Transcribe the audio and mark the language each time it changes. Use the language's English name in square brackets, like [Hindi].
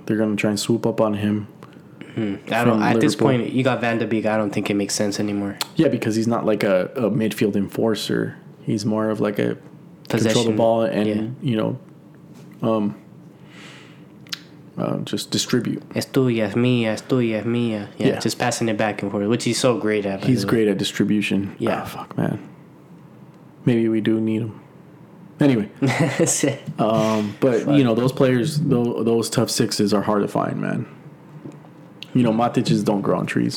[English] They're going to try and swoop up on him. At this point, you got Van de Beek. I don't think it makes sense anymore. Yeah, because he's not like a midfield enforcer. He's more of like a possession. Control the ball and, you know, just distribute. [Spanish] Es tuya, es mía, es tuya, es mía. [English] Yeah, just passing it back and forth, which he's so great at. He's great at distribution. Yeah. Oh, fuck, man. Maybe we do need him. Anyway. But, you know, those players, those tough sixes are hard to find, man. You know, Matic's don't grow on trees.